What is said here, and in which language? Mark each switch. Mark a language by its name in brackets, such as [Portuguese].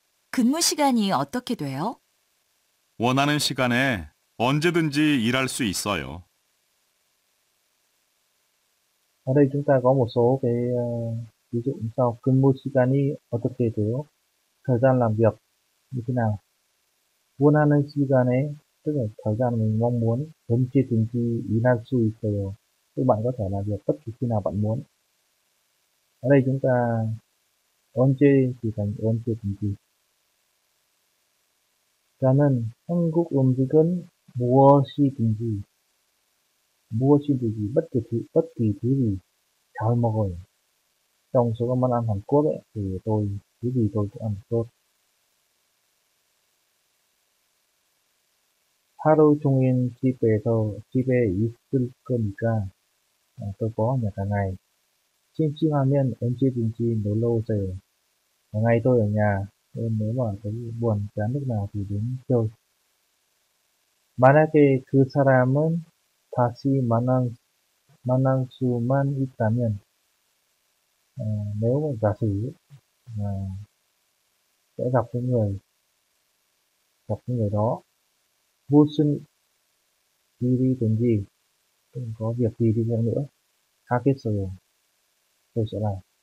[Korean] 근무 시간이 어떻게 돼요? 원하는 시간에 언제든지 일할 수 있어요. [Vietnamese] Ở đây chúng ta có một số cái ví dụ như sau. [Korean] 근무 시간이 어떻게 돼요? [Vietnamese] Thời gian làm việc như thế nào? [Korean] 원하는 시간에, [Vietnamese] tức là thời gian mình mong muốn, [Korean] 언제든지 일할 수 있어요. [Vietnamese] Tức bạn có thể làm việc bất kỳ khi nào bạn muốn. Ở đây chúng ta 언제 thì thành 언제든지. [Korean] 저는 한국 음식은 무엇이든지 무엇이든지 [Vietnamese] bất kỳ thứ gì [Korean] 잘 먹어요. [Vietnamese] Trong số các món ăn Hàn Quốc ấy, thì tôi thứ gì tôi cũng ăn tốt. [Korean] 하루 종일 집에 있을 거니까 [Vietnamese] tôi có nhà cả ngày. [Korean] 심심하면 언제든지 놀러 오세요. [Vietnamese] Ngày tôi ở nhà, nếu mà thấy buồn chán lúc nào thì đến chơi. [Korean] 만약에 그 사람은 다시 만날 수만 있다면, [Vietnamese] nếu mà giả sử sẽ gặp cái người đó, [Korean] 무슨 일이 든지 [Vietnamese] có việc gì đi chăng nữa, [Korean] 하겠어요 [Vietnamese] tôi sẽ làm.